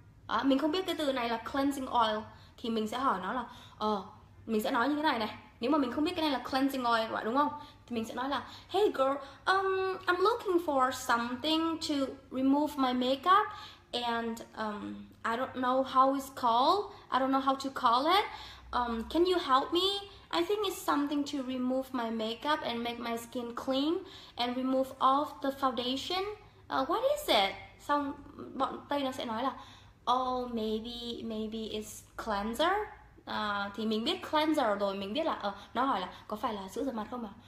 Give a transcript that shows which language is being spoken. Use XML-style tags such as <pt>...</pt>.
<vi>Đó, mình không biết cái từ này là cleansing oil thì mình sẽ hỏi nó là mình sẽ nói như thế này này, nếu mà mình không biết cái này là cleansing oil vậy đúng không, thì mình sẽ nói là</vi> <en>hey girl, I'm looking for something to remove my makeup and I don't know how it's called, I don't know how to call it, can you help me? I think it's something to remove my makeup and make my skin clean and remove off the foundation. What is it?</en> <vi>Xong bọn Tây nó sẽ nói là</vi> <en>oh, maybe it's cleanser.</en> <vi>Thì mình biết cleanser rồi, mình biết là nó hỏi là có phải là sữa rửa mặt không à?</vi>